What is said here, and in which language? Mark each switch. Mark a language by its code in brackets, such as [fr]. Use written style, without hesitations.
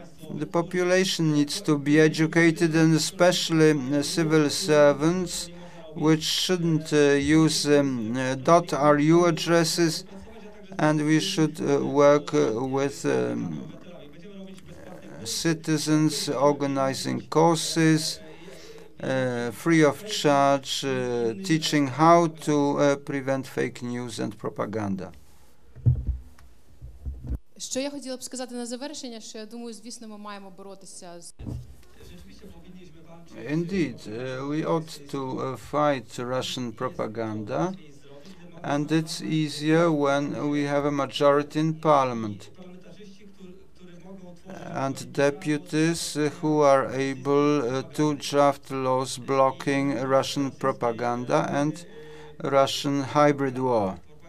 [en] The population needs to be educated, and especially civil servants, which shouldn't use .ru addresses, and we should work with citizens organizing courses free of charge, teaching how to prevent fake news and propaganda. [uk] Що я хотіла б сказати на завершення, що я думаю, звісно, ми маємо боротися з... [en] Indeed, we ought to fight Russian propaganda, and it's easier when we have a majority in parliament and deputies who are able to draft laws blocking Russian propaganda and Russian hybrid war.